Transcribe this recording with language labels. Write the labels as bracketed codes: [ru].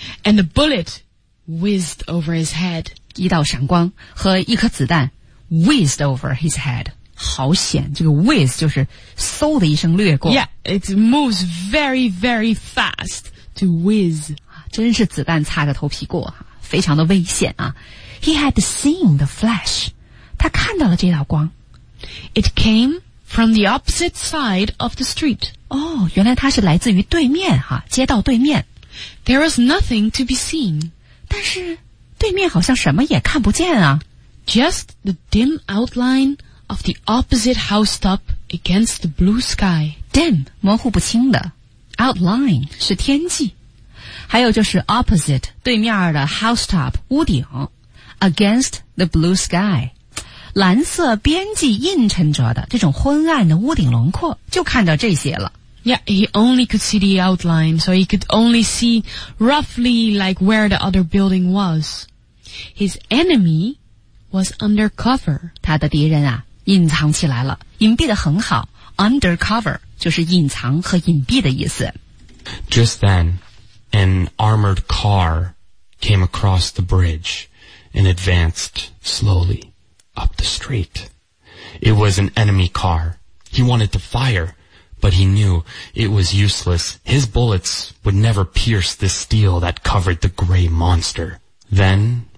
[en] And a bullet whizzed over his head. [zh] 一道闪光和一颗子弹 [en] whizzed over his head. [zh] 好险，这个 whiz 就是嗖的一声掠过。 [en] Yeah, it moves very, very fast to whiz. [zh] 真是子弹擦着头皮过，非常的危险啊。 [en] He had seen the flash. [zh] 他看到了这道光。 [en] It came from the opposite side of the street. [zh] 哦，原来它是来自于对面啊，街道对面。 [en] There was nothing to be seen. [zh] 但是对面好像什么也看不见啊。 [en] Just the dim outline... of the opposite housetop against the blue sky. [zh] Dim, 模糊不清的。 Outline, 是天际。还有就是 opposite, 对面的 housetop, 屋顶。 [en] Against the blue sky, [zh] 蓝色边际映衬着的这种昏暗的屋顶轮廓就看到这些了。 [en] Yeah, he only could see the outline, so he could only see roughly like where the other building was. His enemy was undercover. [zh] 他的敌人啊隐藏起来了，隐蔽得很好。 Undercover 就是隐藏和隐蔽的意思。 [en] Just then, an armored car came across the bridge and advanced slowly up the street. It was an enemy car. He wanted to fire, but he knew it was useless. His bullets would never pierce the steel that covered the gray monster. Then...